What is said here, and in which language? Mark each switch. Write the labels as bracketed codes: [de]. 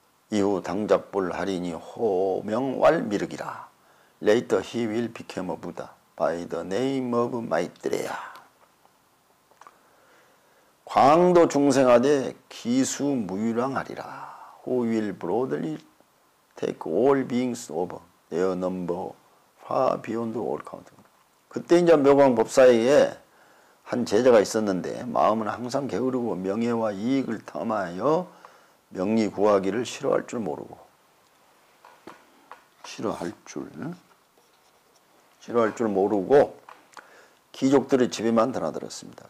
[ko] 이후 당작불 하리니 호명왈 미륵이라. [en] Later he will become a Buddha by the name of Maitreya. [ko] 광도 중생하되 기수 무유랑하리라. [en] Who will broadly take all beings over their number far beyond all count. [ko] 그때 이제 묘광 법사에게 한 제자가 있었는데 마음은 항상 게으르고 명예와 이익을 탐하여 명리 구하기를 싫어할 줄 모르고 싫어할 줄 모르고 귀족들의 집에만 드나들었습니다.